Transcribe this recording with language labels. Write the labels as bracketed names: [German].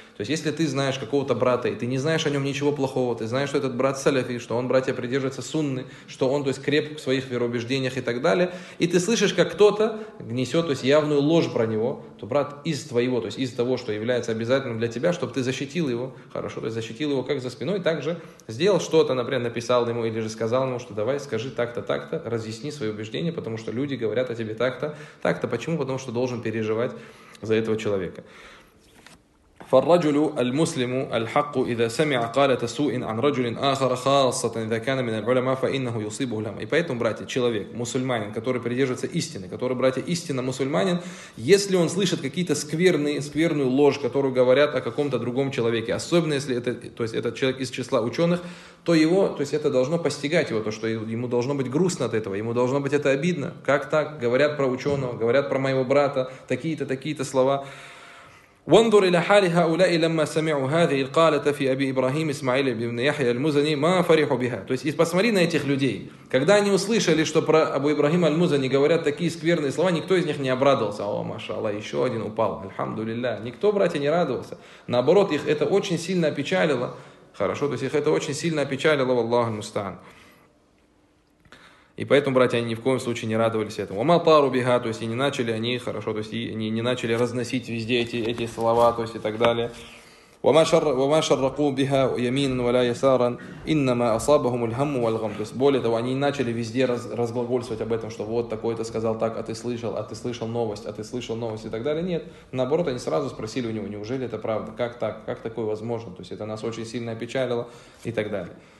[Russian] То есть, если ты знаешь какого-то брата, и ты не знаешь о нем ничего плохого, ты знаешь, что этот брат саляфи, что он, братья, придерживается сунны, что он, то есть, креп в своих вероубеждениях и так далее, и ты слышишь, как кто-то гнесет, то есть, явную ложь про него, то, брат, из твоего, то есть, из того, что является обязательным для тебя, чтобы ты защитил его, хорошо, то есть, защитил его как за спиной, так же сделал что-то, например, написал ему или же сказал ему, что давай, скажи так-то, так-то, разъясни свои убеждения, потому что люди говорят о тебе так-то, так-то. Почему? Потому что должен переживать за этого человека. [Arabic] فالرجل المسلم الحق إذا سمع قالة سوء عن رجل آخر خاصة إذا كان من العلماء فإنه يصيبه الهم. [Russian] И поэтому, братья, человек, мусульманин, который придерживается истины, который, братья, истинно мусульманин, если он слышит какие-то скверную ложь, которую говорят о каком-то другом человеке, особенно если это, то есть этот человек из числа ученых, то его, то есть это должно постигать его, то, что ему должно быть грустно от этого, ему должно быть это обидно. Как так? Говорят про ученого, говорят про моего брата, такие-то слова. [Arabic] وانظر إلى حال هؤلاء لما سمعوا هذه القالة في أبي إبراهيم إسماعيل بن يحيى المزني ما فرحوا بها. [Russian] То есть, и посмотри на этих людей. Когда они услышали, что про Абу Ибрахима аль-Музани говорят такие скверные слова, никто из них не обрадовался. О, машаллах, еще один упал. Альхамдулиллах. Никто, братья, не радовался. Наоборот, их это очень сильно опечалило. Хорошо, то есть их это очень сильно опечалило, [Arabic] валлаху мустаан. [Russian] И поэтому, братья, они ни в коем случае не радовались этому. Амалтару бига, то есть и не начали они, хорошо, то есть и не начали разносить везде эти слова, то есть и так далее. [Arabic] وما شرقوا بها يمينا ولا يسارا انما اصابهم الهم والغم. [Russian] То есть, более того, они начали везде разглагольствовать об этом, что вот такой-то сказал так, а ты слышал новость и так далее. Нет, наоборот, они сразу спросили у него: неужели это правда, как так, как такое возможно, то есть это нас очень сильно опечалило и так далее.